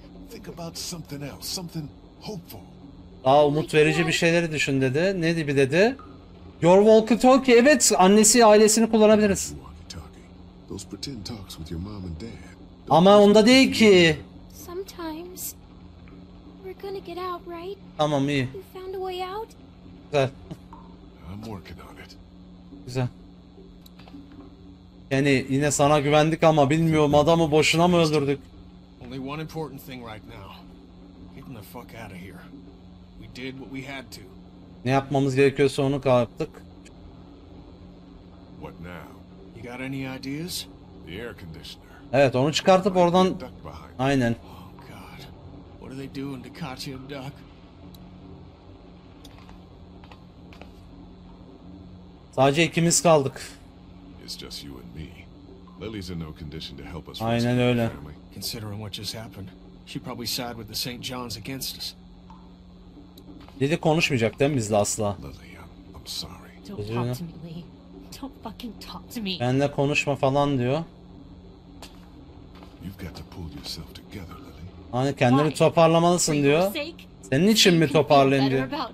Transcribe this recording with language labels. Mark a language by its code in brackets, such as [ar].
[en] Think about something else, something hopeful. [tr] Daha umut verici bir şeyleri düşün dedi. Ne gibi dedi? [en] Your walkie-talkie. [tr] Evet, annesi ailesini kullanabiliriz. [en] Those pretend talks with your mom and dad. [tr] Ama onda değil ki. [en] Sometimes we're gonna get out, right? [tr] Tamam iyi. [en] You found a way out? [tr] Güzel. [en] I'm working on it. [tr] Güzel. Yani yine sana güvendik ama bilmiyorum, adamı boşuna mı öldürdük? [en] Only one important thing right now. Getting the fuck out of here. We did what we had to. [tr] Ne yapmamız gerekiyorsa onu yaptık. [en] What now? You got any ideas? The air conditioner. [tr] Evet, onu çıkartıp oradan. Aynen. [en] Oh God, what are they doing to Katya and Duck? [tr] Sadece ikimiz kaldık. [en] It's just you and me. Lily's in no condition to help us. [tr] Aynen öyle. [en] Considering what just happened, she probably side with the St. John's against us. [tr] Lily konuşmayacak değil mi bizle asla? [en] Lily, I'm sorry. Don't talk to me, Lee. Don't fucking talk to me. [tr] Benle konuşma falan diyor. [en] You've got to pull yourself together, Lily. [tr] Hani kendini toparlamalısın diyor. Senin için mi toparlayayım diyor.